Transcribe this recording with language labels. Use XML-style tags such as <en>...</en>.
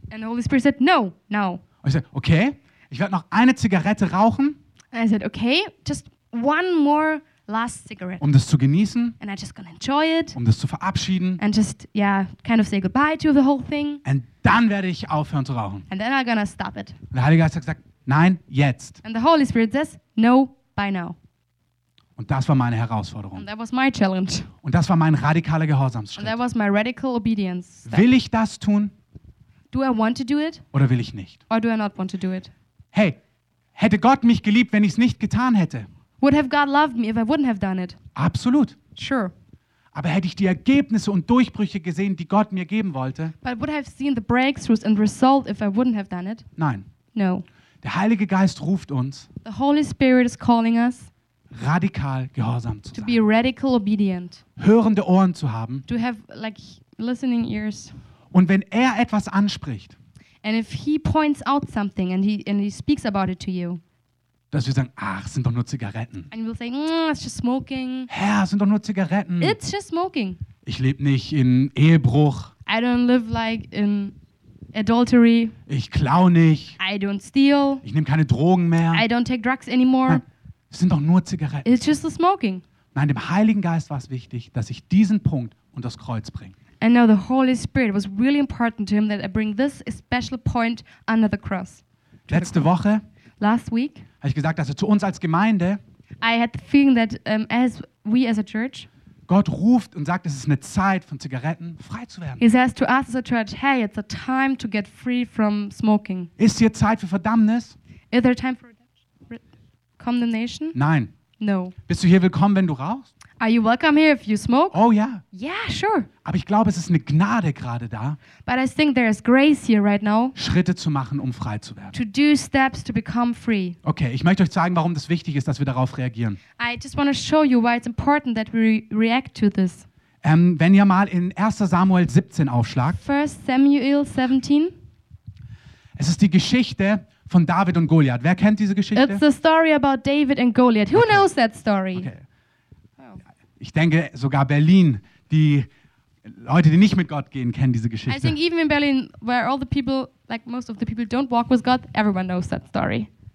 <en>And the Holy Spirit said, no, now.</en> <de>Und ich sagte, okay. Ich werde noch eine Zigarette rauchen.</de> <en>And I said, okay, just one more last cigarette.</en> <de>Um das zu genießen.</de> <en>And I just gonna enjoy it.</en> <de>Um das zu verabschieden.</de> <en>And just, yeah, kind of say goodbye to the whole thing.</en> <de>And dann werde ich aufhören zu rauchen.</de> <en>And then I'm gonna stop it.</en> <de>Und der Heilige Geist hat gesagt, nein, jetzt.</de> <en>And the Holy Spirit says, no, by now.</en> <de>Und das war meine Herausforderung.</de> <en>And that was my challenge.</en> <de>Und das war mein radikaler Gehorsamsschritt.</de> <en>And that was my radical obedience step.</en> <de>Will ich das tun?</de> <en>Do I want to do it?</en> <de>Oder will ich nicht?</de> <en>Or do I not want to do it?</en> <de>Hey, hätte Gott mich geliebt, wenn ich es nicht getan hätte?</de> <en>Would have God loved me if I wouldn't have done it?</en> <de>Absolut.</de> <en>Sure.</en> <de>Aber hätte ich die Ergebnisse und Durchbrüche gesehen, die Gott mir geben wollte?</de> <en>But would I have seen the breakthroughs and result if I wouldn't have done it?</en> <de>Nein.</de> <en>No.</en> <de>Der Heilige Geist ruft uns.</de> <en>The Holy Spirit is calling us.</en> <de>Radikal gehorsam zu sein.</de> <en>To be radical obedient.</en> <de>Hörende Ohren zu haben.</de> <en>To have like listening ears.</en> <de>Und wenn er etwas anspricht.</de> <en>And if he points out something and he speaks about it to you.</en> <de>Dass wir sagen, ach, es sind doch nur Zigaretten.</de> <en>And you will say, it's just smoking.</en> <de>Herr, es sind doch nur Zigaretten.</de> <en>It's just smoking.</en> <de>Ich lebe nicht in Ehebruch.</de> <en>I don't live like in adultery.</en> <de>Ich klau nicht.</de> <en>I don't steal.</en> <de>Ich nehme keine Drogen mehr.</de> <en>I don't take drugs anymore.</en> <de>Nein. Es sind doch nur Zigaretten.</de> <en>It's just the smoking.</en> <de>Nein, dem Heiligen Geist war es wichtig, dass ich diesen Punkt unter das Kreuz bringe.</de> <en>And now the Holy Spirit was really important to him that I bring this special point under the cross.</en> <de>Letzte Woche.</de> <en>Last week.</en> <de>Habe ich gesagt, dass er zu uns als Gemeinde.</de> <en>I had the feeling that as we as a church.</en> <de>Gott ruft und sagt, es ist eine Zeit von Zigaretten frei zu werden.</de> <en>He says to us as a church, hey, it's a time to get free from smoking.</en> <de>Ist hier Zeit für Verdammnis?</de> <en>Is there time for condemnation?</en> <de>Nein.</de> <en>No.</en> <de>Bist du hier willkommen, wenn du rauchst?</de> <en>Are you welcome here if you smoke?</en> <de>Oh ja.</de> <en>Yeah. Yeah, sure.</en> <de>Aber ich glaube, es ist eine Gnade gerade da.</de> <en>But I think there is grace here right now.</en> <de>Schritte zu machen, um frei zu werden.</de> <en>To do steps to become free.</en> <de>Okay, ich möchte euch zeigen, warum das wichtig ist, dass wir darauf reagieren.</de> <en>I just want to show you why it's important that we react to this.</en> <de>Wenn ihr mal in 1. Samuel 17 aufschlagt.</de> <en>1 Samuel 17.</en> <de>Es ist die Geschichte von David und Goliath. Wer kennt diese Geschichte?</de> <en>It's the story about David and Goliath. Who knows that story? Okay.</en> <de>Ich denke, sogar Berlin, die Leute, die nicht mit Gott gehen, kennen diese Geschichte.</de> <en>I think even in Berlin, where all the people, like most of the people don't walk with God, everyone knows that story.</en>